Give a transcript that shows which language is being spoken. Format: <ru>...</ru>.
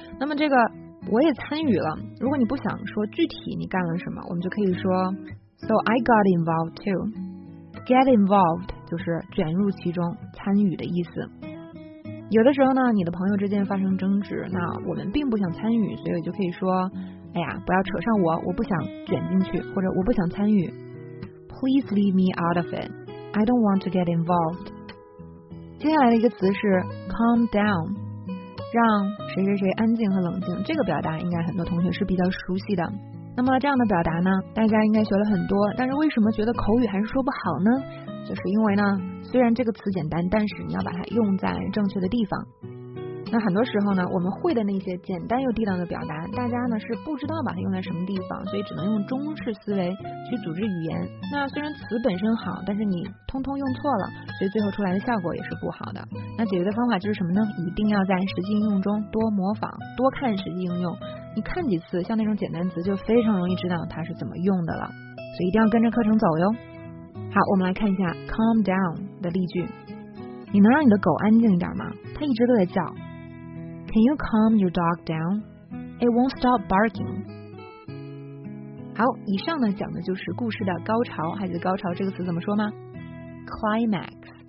<zh>那么这个我也参与了，如果你不想说具体你干了什么，我们就可以说</zh> <en>So I got involved too.</en> <zh>Get involved 就是卷入其中，参与的意思。有的时候呢，你的朋友之间发生争执，那我们并不想参与，所以就可以说，哎呀，不要扯上我，我不想卷进去，或者我不想参与。</zh> <en>Please leave me out of it. I don't want to get involved.</en> <zh>接下来的一个词是 calm down，让谁谁谁安静和冷静，这个表达应该很多同学是比较熟悉的。那么这样的表达呢，大家应该学了很多，但是为什么觉得口语还是说不好呢？就是因为呢，虽然这个词简单，但是你要把它用在正确的地方。那很多时候呢，我们会的那些简单又地道的表达，大家呢是不知道把它用在什么地方，所以只能用中式思维去组织语言。那虽然词本身好，但是你通通用错了，所以最后出来的效果也是不好的。那解决的方法就是什么呢？一定要在实际应用中多模仿，多看实际应用。你看几次，像那种简单词就非常容易知道它是怎么用的了。所以一定要跟着课程走哟。好，我们来看一下 calm down 的例句。你能让你的狗安静一点吗？它一直都在叫。</zh> <en>Can you calm your dog down? It won't stop barking.</en> <zh>好，以上呢讲的就是故事的高潮，还记得高潮这个词怎么说吗？ Climax.</zh>